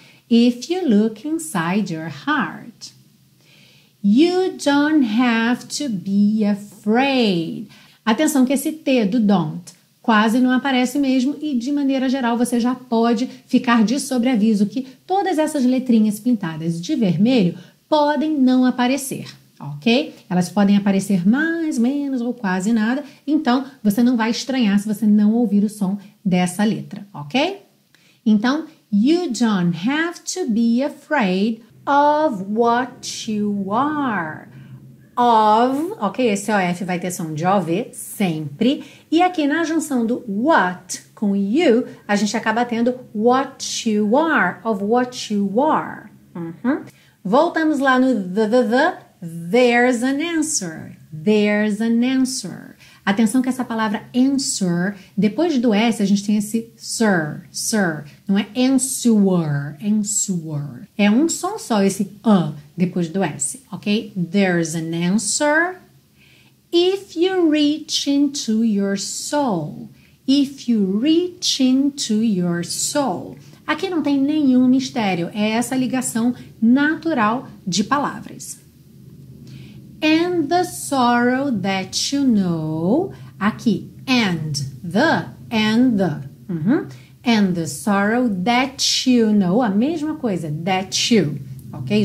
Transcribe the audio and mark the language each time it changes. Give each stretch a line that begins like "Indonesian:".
English: If you look inside your heart. You don't have to be afraid.
Portuguese: Atenção que esse T do don't quase não aparece mesmo e, de maneira geral, você já pode ficar de sobreaviso que todas essas letrinhas pintadas de vermelho podem não aparecer, ok? Elas podem aparecer mais, menos ou quase nada, então você não vai estranhar se você não ouvir o som dessa letra, ok? Então,
English: you don't have to be afraid of what you are.
Portuguese: Of, ok, esse OF vai ter som de OV, sempre. E aqui na junção do what Com
English: you,
Portuguese: a gente acaba tendo
English: what you are, of what you are. Uhum.
Portuguese: Voltamos lá no
English: the, there's an answer, there's an answer.
Portuguese: Atenção que essa palavra answer, depois do S, a gente tem esse sir, sir. Não é answer, answer. É um som só, esse depois do S, ok?
English: There's an answer. If you reach into your soul. If you reach into your soul.
Portuguese: Aqui não tem nenhum mistério. É essa ligação natural de palavras.
English: And the sorrow that you know,
Portuguese: aqui,
English: and the, uhum. And the sorrow that you know,
Portuguese: a mesma coisa,
English: that you, ok?